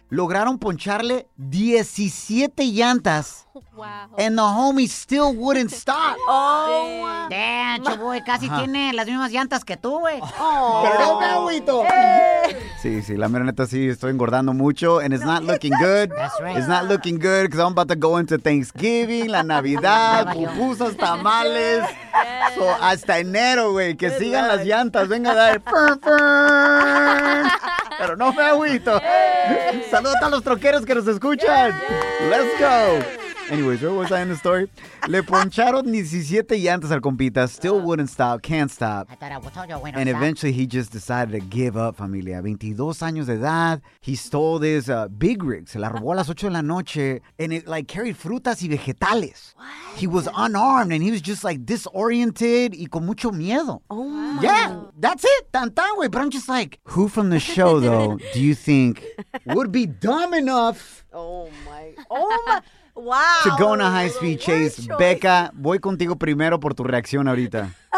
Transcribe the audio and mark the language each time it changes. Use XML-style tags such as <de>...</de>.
<es>Lograron poncharle 17 llantas.</es> <en>Wow. And the homie still wouldn't stop. Oh,</en> <es>damn, chavoy, casi tiene las mismas llantas que tú, güey. Pero no me agüito. Sí, la mera neta, sí, estoy engordando mucho.</es> <en>And it's not looking good. That's right. It's not looking good because I'm about to go into Thanksgiving,</en> <es>la Navidad, pupusas, tamales.</es> <en>Yes.</en> <es>So hasta enero, güey, que good sigan luck. Las llantas. Venga, dale. Pero no me agüito. Yay. Saludos a los troqueros que nos escuchan. Yay.</es> <en>Let's go. Anyways, where was I in the story?</en> <es>Le poncharon 17 llantas al compita.</es> <en>Still wouldn't stop. Can't stop. And eventually, he just decided to give up, familia.</en> <es>22 años de edad.</es> <en>He stole this big rig.</en> <es>Se la robó a las 8 de la noche.</es> <en>And it, like, carried</en> <es>frutas y vegetales.</es> <en>What? He was unarmed. And he was just, like, disoriented</en> <es>y con mucho miedo.</es> <en>Oh, my. Yeah, that's it.</en> <es>Tan tan, güey.</es> <en>But I'm just like, who from the show, though, do you think would be dumb enough? Oh, my. Wow. To go on a high-speed chase.</en> <es>Becca, voy contigo primero por tu reacción ahorita.</es>